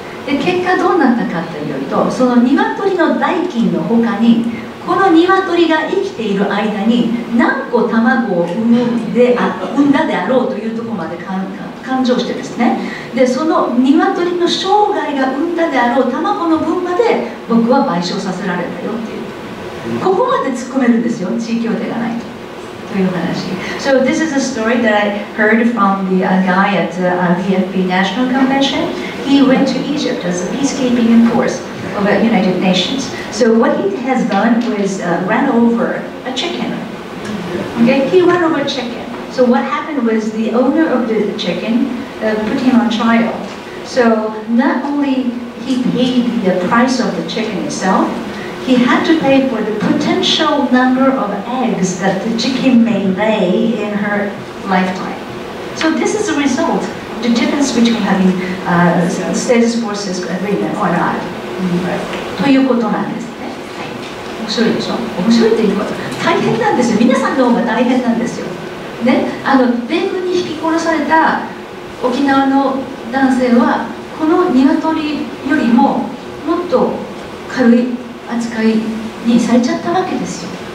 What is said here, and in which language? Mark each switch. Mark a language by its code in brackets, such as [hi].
[ja] で結果どうなったかというと、その鶏の代金の他にこの鶏が生きている間に何個卵を産んだであろうというところまで勘定してですね、でその鶏の生涯が産んだであろう卵の分まで僕は賠償させられたよっていう、ここまで突っ込めるんですよ、地位協定がないと。 [en] So this is a story that I heard from the guy at the VFP National Convention. He went to Egypt as a peacekeeping force of the United Nations. So what he has done was run over a chicken. Okay, he ran over a chicken. So what happened was the owner of the chicken put him on trial. So not only he paid the price of the chicken itself, he had to pay for the potential number of eggs that the chicken may lay in her lifetime. So this is the result, the difference between having status forces agreement or not. Right. [ja] ということなんですね。面白いでしょ？面白いということ。大変なんですよ。皆さんの方が大変なんですよ。ね、米軍に引き殺された沖縄の男性は、この鶏よりももっと軽い扱いにされちゃったわけですよ。